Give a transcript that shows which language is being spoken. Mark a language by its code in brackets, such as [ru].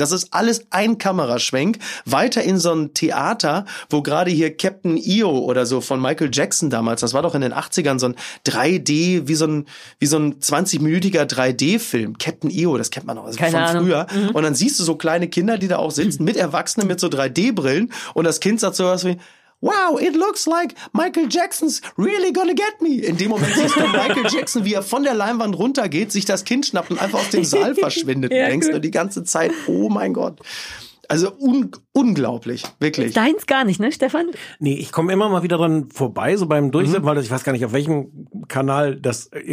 [de] Das ist alles ein Kameraschwenk. Weiter in so ein Theater, wo gerade hier Captain EO oder so von Michael Jackson damals, das war doch in den 80ern, so ein 3D, wie so ein 20-minütiger 3D-Film. Captain EO, das kennt man auch, also keine von Ahnung. Früher. Und dann siehst du so kleine Kinder, die da auch sitzen, mit Erwachsenen, mit so 3D-Brillen. Und das Kind sagt sowas wie, [en] wow, it looks like Michael Jackson's really gonna get me. [de] In dem Moment siehst du Michael Jackson, wie er von der Leinwand runtergeht, sich das Kind schnappt und einfach aus dem Saal verschwindet. Ja, und denkst du die ganze Zeit, oh mein Gott. Also unglaublich, wirklich. Deins gar nicht, ne, Stefan? Nee, ich komme immer mal wieder dran vorbei, so beim Durchsippen, weil ich weiß gar nicht, auf welchem Kanal das.